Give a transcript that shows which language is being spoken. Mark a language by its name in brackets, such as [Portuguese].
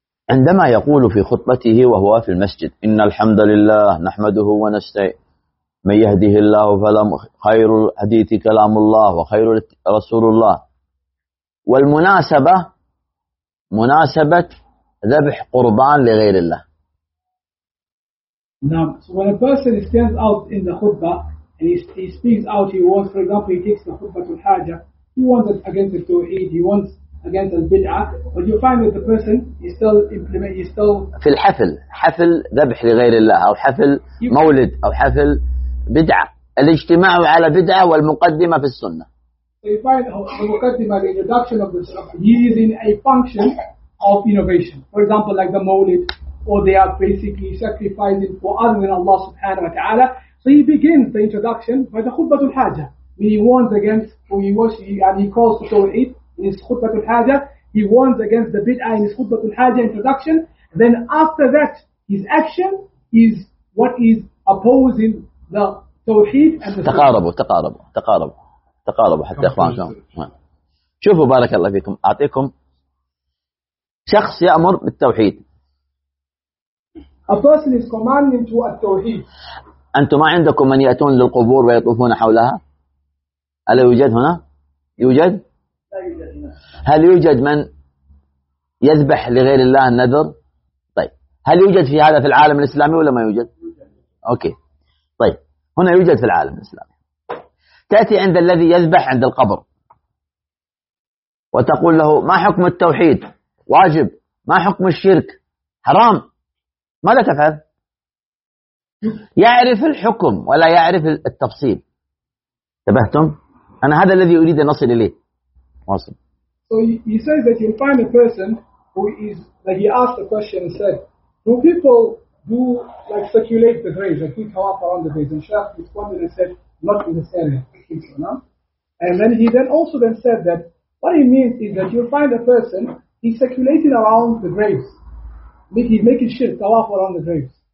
[Arabic] عندما يقول في خطبته وهو في المسجد إن الحمد لله نحمده ونستعين من يهده الله فلا خير الحديث كلام الله وخير رسول الله والمناسبة مناسبة ذبح قربان لغير الله. [English] Now, so when a person stands out in the khutbah and he speaks out, he wants, for example, he takes the khutbah to al-haja He wants it against the Tawheed, he wants against the Bid'ah, but you find that the person is still implement, he's still... [Arabic] في الحفل, حفل ذبح لغير الله, أو حفل مولد, أو حفل بدعة. الاجتماع على بدعة والمقدمة في السنة. [English] So you find the مقدمة, the introduction of the Sunnah, he is in a function of innovation. For example, like the Mawlid, or they are basically sacrificing for other than Allah subhanahu wa ta'ala. So he begins the introduction by the Khutbatul Hajah. He warns against, he calls to Tawheed in his Khutbatul Hajah. He warns against the Bid'ah in his Khutbatul Hajah introduction. Then after that, his action is what is opposing the Tawheed and the [Arabic] تقاربوا, تقاربوا, تقاربوا, تقاربوا حتى إخوانكم. شوفوا بارك الله فيكم. أعطيكم شخص يأمر بالتوحيد. [English] A person is commanding to a Tawheed. [Arabic] أنتم ما عندكم من يأتون للقبور ويطوفون حولها؟ ألا يوجد هنا؟ يوجد؟ هل يوجد من يذبح لغير الله النذر؟ طيب هل يوجد في هذا في العالم الإسلامي ولا ما يوجد؟ أوكي طيب هنا يوجد في العالم الإسلامي. تأتي عند الذي يذبح عند القبر وتقول له ما حكم التوحيد؟ واجب. ما حكم الشرك؟ حرام. ماذا تفعل؟ يعرف الحكم ولا يعرف التفصيل. تبهتم؟ أنا هذا الذي أريد أن أصل إليه. واصل. [English] So he says that you'll find a person who is like he asked the question and said, do people do like circulate the graves, like do tawaf around the graves? And Shaykh responded and said, not in this area. And then he then also then said that what he means is that you'll find a person he's circulating around the graves, making shirk tawaf around the graves.